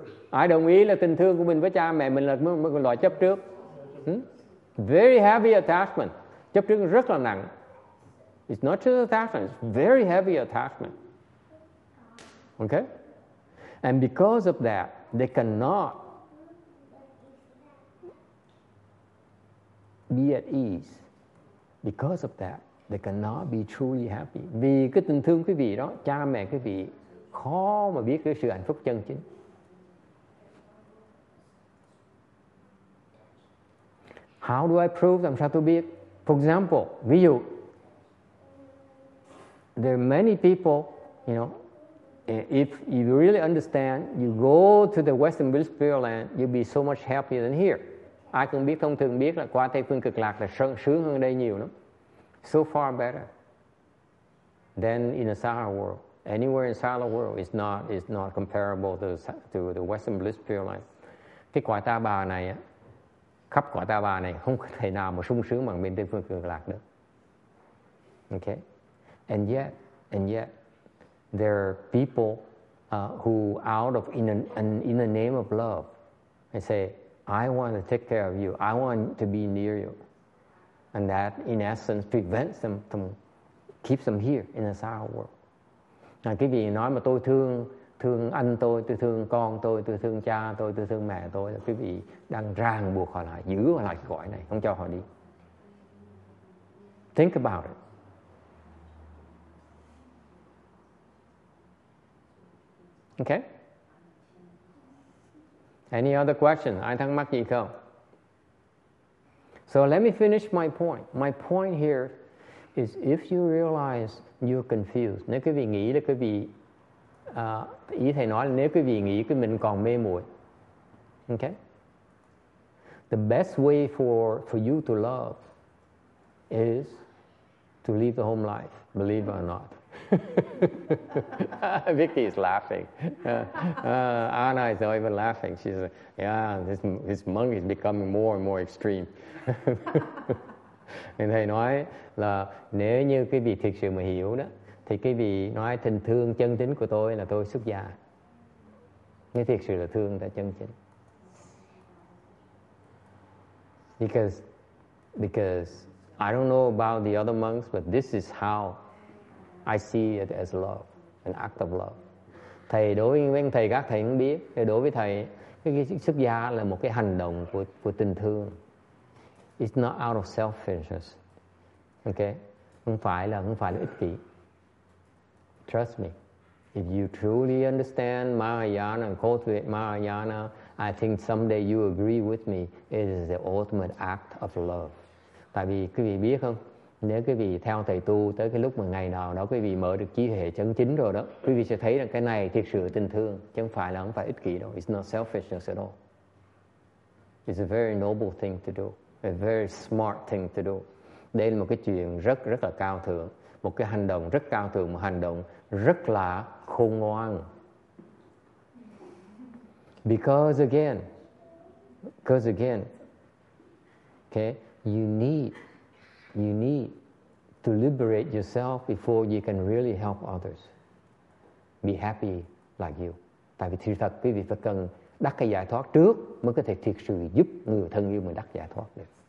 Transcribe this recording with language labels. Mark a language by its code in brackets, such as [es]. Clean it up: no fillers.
[vi] Ai đồng ý là tình thương của mình với cha mẹ mình là một loại chấp trước? [en] Very heavy attachment. [vi] Chấp trước rất là nặng. [en] It's not just attachment, it's very heavy attachment. Okay? And because of that, they cannot be at ease. Because of that, they cannot be truly happy. [vi] Vì cái tình thương quý vị đó, cha mẹ quý vị khó mà biết cái sự hạnh phúc chân chính. [en] How do I prove? [vi] Làm sao tôi biết? [en] For example, [vi] ví dụ, [en] there are many people, you know, if you really understand, you go to the Western Buddhist Pure Land, you'll be so much happier than here. [vi] Ai cũng biết, thông thường biết là qua Tây Phương Cực Lạc là sướng hơn đây nhiều lắm. [en] So far better than in the Sahara world. Anywhere in Sahara world is not comparable to the Western Buddhist Pure Land. [vi] Cái quả ta bà này á, khắp quả ta bà này không thể nào mà sung sướng bằng bên Tây Phương Cực Lạc được. [en] Okay? And yet, there are people who, out of in the name of love, they say, "I want to take care of you. I want to be near you," and that, in essence, prevents them from keeps them here in the sour world. Now, [vi] quý vị nói mà tôi thương thương anh tôi thương con tôi thương cha tôi thương mẹ tôi, quý vị đang ràng buộc họ lại, giữ họ lại cõi này, không cho họ đi. [en] Think about it. Okay? Any other question? [vi] Ai thắc mắc gì không? [en] So let me finish my point. My point here is if you realize you're confused, [vi] nếu quý vị nghĩ là quý vị, ý thầy nói là nếu quý vị nghĩ cái mình còn mê muội, okay? [en] The best way for you to love is to leave the home life, believe it or not. Vicky is laughing. Anna is over laughing. She's like, yeah, this monk is becoming more and more extreme. [vi] Nên thầy nói là nếu như quý vị thực sự mà hiểu đó, thì quý vị nói tình thương chân chính của tôi là tôi xuất gia. Nếu thực sự là thương đã chân chính. [en] Because I don't know about the other monks, but this is how I see it as love, an act of love. [vi] Thầy đối với thầy các thầy cũng biết, đối với thầy cái xuất gia là một cái hành động của tình thương. [en] It's not out of selfishness. Okay? [vi] Không phải là ích kỷ. [en] Trust me. If you truly understand Mahayana and cultivate Mahayana, I think someday you agree with me. It is the ultimate act of love. [vi] Tại vì quý vị biết không? Nếu quý vị theo thầy tu tới cái lúc mà ngày nào đó quý vị mở được trí hệ chân chính rồi đó, quý vị sẽ thấy rằng cái này thiệt sự tình thương, chứ không phải ích kỷ đâu. [en] It's not selfishness at all. It's a very noble thing to do. A very smart thing to do. [vi] Đây là một cái chuyện rất rất là cao thượng. Một cái hành động rất cao thượng, một hành động rất là khôn ngoan. [en] Because again, okay, you need to liberate yourself before you can really help others. Be happy like you. [vi] Tại vì thật quý vị phải cần đắc cái giải thoát trước mới có thể thiệt sự giúp người thân yêu mình đắc giải thoát được.